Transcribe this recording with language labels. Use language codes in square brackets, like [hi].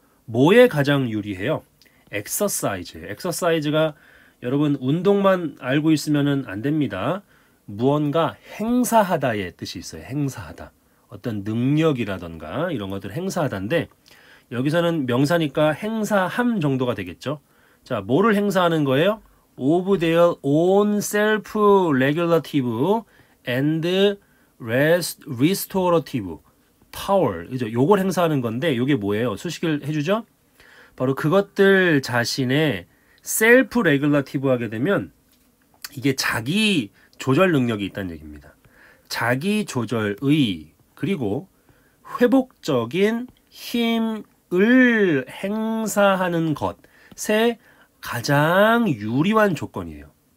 [ko] 뭐에 가장 유리해요? exercise. exercise가 여러분 운동만 알고 있으면은 안 됩니다. 무언가 행사하다의 뜻이 있어요. 행사하다. 어떤 능력이라던가 이런 것들 행사하다인데 여기서는 명사니까 행사함 정도가 되겠죠. 자, 뭐를 행사하는 거예요? [en] of their own self-regulative and restorative power. [ko] 그죠? 요걸 행사하는 건데, 요게 뭐예요? 수식을 해주죠? 바로 그것들 자신의 셀프 레귤러티브 하게 되면 이게 자기 조절 능력이 있다는 얘기입니다. 자기 조절의 그리고 회복적인 힘을 행사하는 것에 가장 유리한 조건이에요.